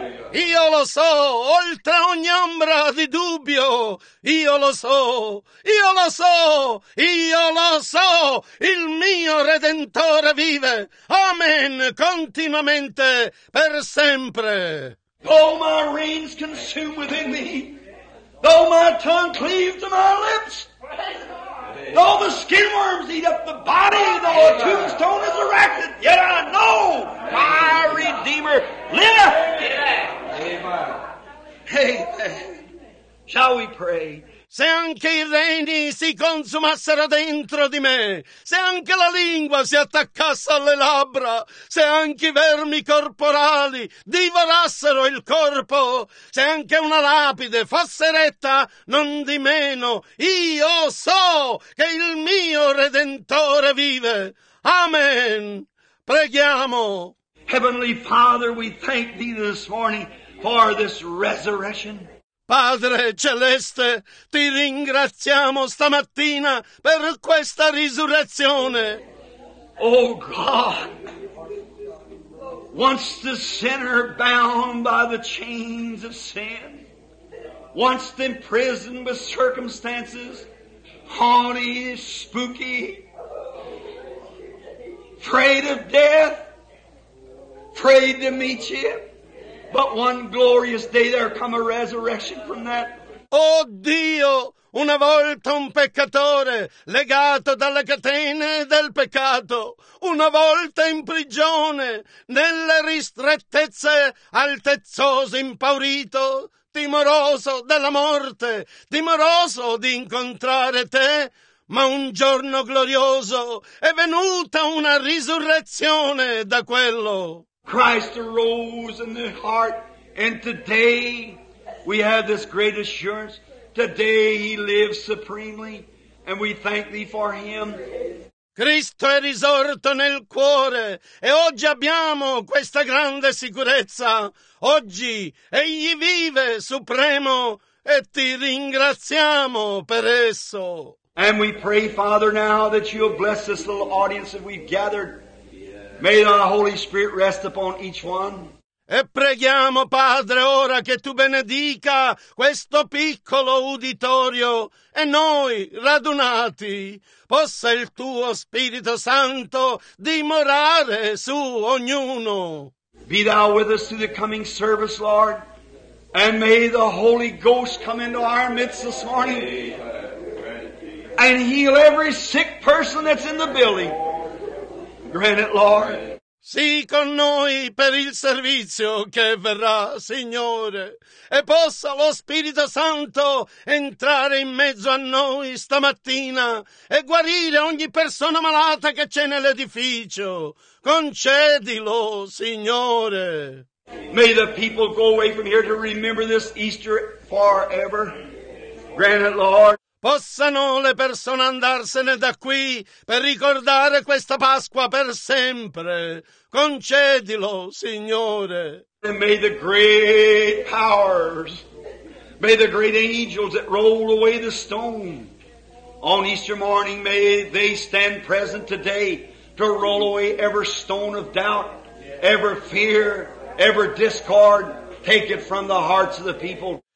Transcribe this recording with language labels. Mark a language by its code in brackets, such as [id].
[it] Io lo so, oltre ogni ombra di dubbio, io lo so, io lo so, io lo so, il mio Redentore vive. Amen, continuamente, per sempre. [en] Though my reins consume within me, though my tongue cleave to my lips, though the skin worms eat up the body, though a tombstone is erected, yet I know my Redeemer liveth. Amen. Shall we pray? [it] Se anche i reni si consumassero dentro di me, se anche la lingua si attaccasse alle labbra, se anche i vermi corporali divorassero il corpo, se anche una lapide fosse eretta, non di meno, io so che il mio Redentore vive. Amen. Preghiamo. [en] Heavenly Father, we thank Thee this morning for this resurrection. [it] Padre Celeste, ti ringraziamo stamattina per questa risurrezione. [en] Oh God, once the sinner bound by the chains of sin, once imprisoned with circumstances, haughty, spooky, afraid of death, afraid to meet you, but one glorious day there come a resurrection from that. [it] Oh Dio, una volta un peccatore legato dalle catene del peccato, una volta in prigione, nelle ristrettezze, altezzoso, impaurito, timoroso della morte, timoroso di incontrare te, ma un giorno glorioso è venuta una risurrezione da quello. [en] Christ arose in the heart, and today we have this great assurance. Today He lives supremely, and we thank Thee for Him. [it] Cristo è risorto nel cuore, e oggi abbiamo questa grande sicurezza. Oggi Egli vive supremo, e Ti ringraziamo per esso. [en] And we pray, Father, now that You'll bless this little audience that we've gathered. May the Holy Spirit rest upon each one. [it] E preghiamo, Padre, ora che Tu benedica questo piccolo uditorio e noi radunati. Possa il Tuo Spirito Santo dimorare su ognuno. [en] Be Thou with us through the coming service, Lord. And may the Holy Ghost come into our midst this morning. And heal every sick person that's in the building. Grant it, Lord. [it] Sì, con noi per il servizio che verrà, Signore. E possa lo Spirito Santo entrare in mezzo a noi stamattina e guarire ogni persona malata che c'è nell'edificio. Concedilo, Signore. [en] May the people go away from here to remember this Easter forever. Grant it, Lord. [it] possano le persone andarsene da qui per ricordare questa Pasqua per sempre. Concedilo, Signore. [en] And may the great powers, may the great angels that roll away the stone on Easter morning, may they stand present today to roll away every stone of doubt, every fear, every discord, take it from the hearts of the people.